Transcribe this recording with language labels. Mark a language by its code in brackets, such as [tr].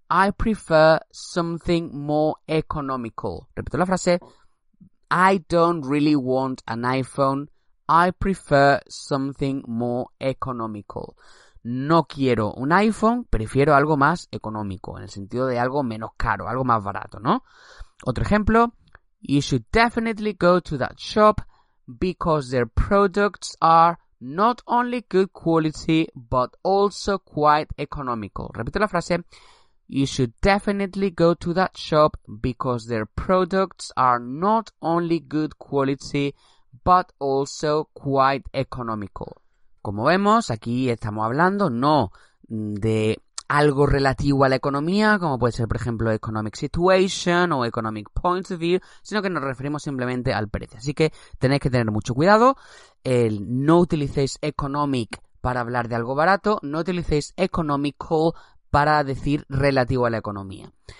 [en] I prefer something more economical. [es] Repito la frase. [en] I don't really want an iPhone. I prefer something more economical. [es] No quiero un iPhone, prefiero algo más económico, en el sentido de algo menos caro, algo más barato, ¿no? Otro ejemplo. [en] You should definitely go to that shop because their products are not only good quality, but also quite economical. [es] Repito la frase. [en] You should definitely go to that shop because their products are not only good quality, but also quite economical. [es] Como vemos, aquí estamos hablando no de algo relativo a la economía, como puede ser, por ejemplo, [en] economic situation [es] o [en] economic point of view, [es] sino que nos referimos simplemente al precio. Así que tenéis que tener mucho cuidado. No utilicéis economic para hablar de algo barato, no utilicéis economical para decir relativo a la economía.